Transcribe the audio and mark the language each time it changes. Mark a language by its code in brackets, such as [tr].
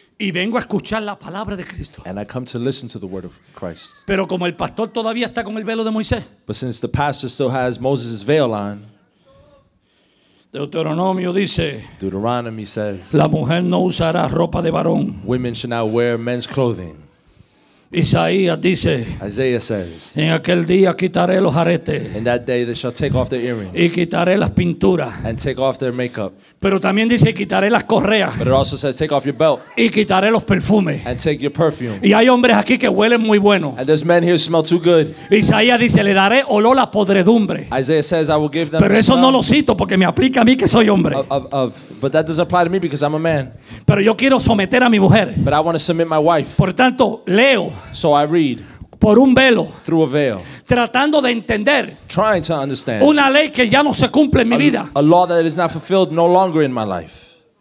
[es] Y vengo a escuchar la palabra de Cristo. [en] And I come to listen to the word of Christ. [es] Pero como el pastor todavía está con el velo de Moisés. [en] But since the pastor still has Moses' veil on. [es] Deuteronomio dice. [en] Deuteronomy says. [es] La mujer no usará ropa de varón. [en] Women should not wear men's clothing. [es] Isaías dice. [en] Isaiah says. [es] En aquel día quitaré los aretes. [en] In that day they shall take off their earrings. [es] Y quitaré las pinturas. [en] And take off their makeup. [es] Pero también dice quitaré las correas. [en] But it also says take off your belt. [es] Y quitaré los perfumes. [en] And take your perfume. [es] Y hay hombres aquí que huelen muy bueno. [en] And there's men here who smell too good. [es] Isaías dice le daré olor a podredumbre. [en] Isaiah says I will give them. [es] Pero eso no lo cito porque me aplica a mí que soy hombre. [en] But that doesn't apply to me because I'm a man. [es] Pero yo quiero someter a mi mujer. [en] But I want to submit my wife. [es] Por tanto leo. [en] So I read [es] por un velo, [en] through a veil, [es] tratando de entender, [en] trying to understand [es] una ley que ya no se cumple en mi vida, [en] a law that is not fulfilled no longer in my life.